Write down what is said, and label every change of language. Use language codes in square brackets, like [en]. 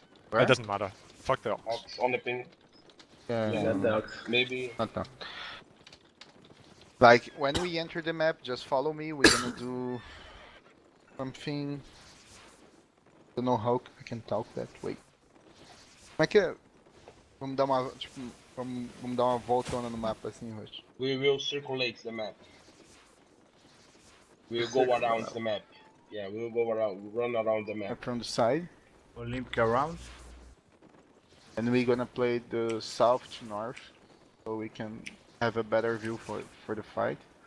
[en] Where? It doesn't matter. Fuck the ox. Ox on the ping. Yeah. Maybe. Not that. Like, when we enter the map, just follow me, we're gonna do something. I don't know how I can talk that way. [pt] Como é que vamos dar uma voltona no mapa assim, Rush? [en] We will circulate the map. We'll go around the map. Yeah, we'll go around, we'll run around the map. And from the side. Olympic around. And we're gonna play the south to north, so we can have a better view for the fight.